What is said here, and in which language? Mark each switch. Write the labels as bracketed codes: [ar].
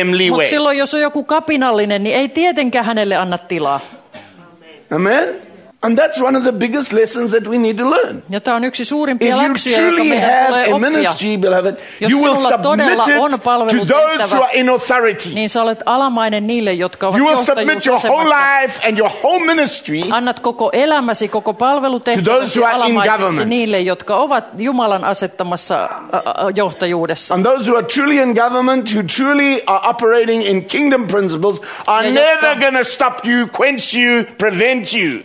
[fi] Mutta silloin, jos on joku kapinallinen, niin ei tietenkään hänelle anna tilaa. Amen. [en] And that's one of the biggest lessons that we need to learn. [fi] Ja tämä on yksi suurimpia läksyjä, joka meidän tulee oppia. [en] If you truly have a ministry, beloved, you will submit it to those who are in authority. [fi] Niin sä olet alamainen niille, jotka ovat johtajuusasemassa. [en] You will submit your whole life and your whole ministry. [fi] Annat koko elämäsi, koko palvelutehtävänsi alamaisiksi niille, jotka ovat Jumalan asettamassa johtajuudessa. [en] And those who are truly in government, who truly are operating in kingdom principles, are never going to stop you, quench you, prevent you.